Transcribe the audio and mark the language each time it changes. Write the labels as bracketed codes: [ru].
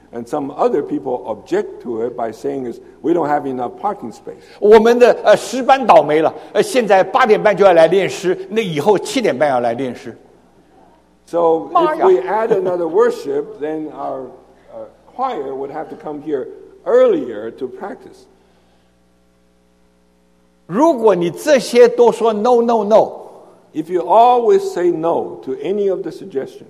[en] And some other people object to it by saying, "Is we don't have enough parking space." [zh] 我们的诗班倒霉了，现在八点半就要来练诗，那以后七点半要来练诗。 [en] So if we add another worship, then our choir would have to come here earlier to practice. [zh] 如果你这些都说 [en] no, no, no, if you always say no to any of the suggestions,